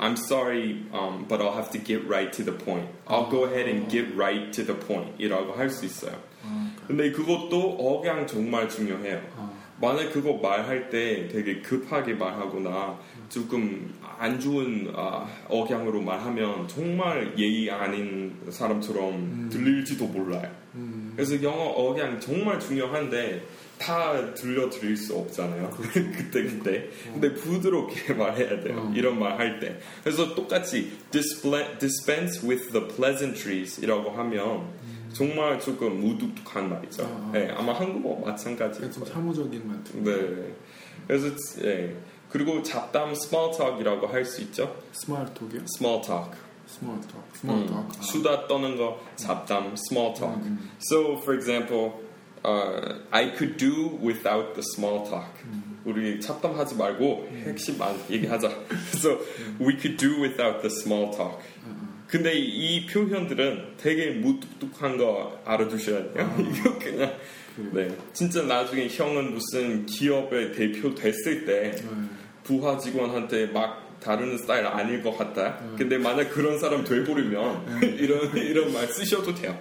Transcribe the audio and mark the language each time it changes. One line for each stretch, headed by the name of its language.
English: I'm sorry, but I'll have to get right to the point. I'll go ahead and get right to the point.
Korean: 이라고 할 수 있어요. 근데 그것도 억양 정말 중요해요. 만약 그거 말할 때 되게 급하게 말하거나 조금 안 좋은 억양으로 말하면 정말 예의 아닌 사람처럼 들릴지도 몰라요. 그래서 영어 억양 정말 중요한데 다 들려드릴 수 없잖아요. 그때. 근데 부드럽게 말해야 돼요. 이런 말 할 때. 그래서 똑같이
English: dispense with the pleasantries
Korean: 이라고 하면 정말 조금 무뚝뚝한 말이죠. 아, 네, 아마 한국어 마찬가지. 좀 사무적인 말. 네. 그래서 예. 그리고 잡담 small talk이라고 할 수 있죠.
English: Small talk이요? Small talk. Small talk. Small talk.
Korean: 수다 떠는 거 잡담 small talk.
English: So for example, I could do without the small talk.
Korean: 우리 잡담하지 말고 핵심만 얘기하자.
English: So we could do without the small talk.
Korean: 근데 이 표현들은 되게 무뚝뚝한 거 알아두셔야 돼요. 이거 그냥 네 진짜 나중에 형은 무슨 기업의 대표 됐을 때 부하 직원한테 막 다루는 스타일 아닐 것 같다. 근데 만약 그런 사람 돼버리면 이런 말 쓰셔도 돼요.